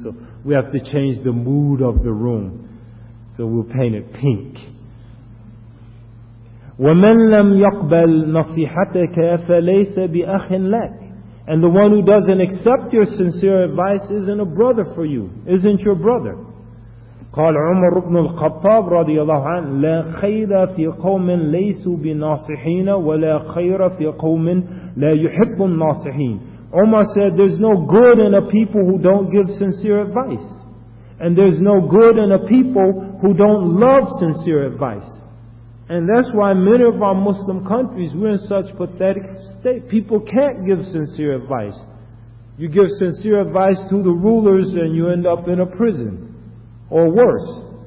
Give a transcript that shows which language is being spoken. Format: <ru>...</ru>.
<en>So we have to change the mood of the room. So we'll paint it pink.</en> <ar>وَمَنْ لَمْ يَقْبَلْ نَصِيحَتَكَ فَلَيْسَ بِأَخٍ لَكَ.</ar> <en>And the one who doesn't accept your sincere advice isn't a brother for you, isn't your brother.</en> <ar>قال عمر بن الخطاب رضي الله عنه لا خير في قوم ليسوا بناصحين ولا خير في قوم لا يحب الناصحين.</ar> <en>Umar said, there's no good in a people who don't give sincere advice. And there's no good in a people who don't love sincere advice. And that's why many of our Muslim countries, we're in such pathetic state. People can't give sincere advice. You give sincere advice to the rulers and you end up in a prison. Or worse.</en>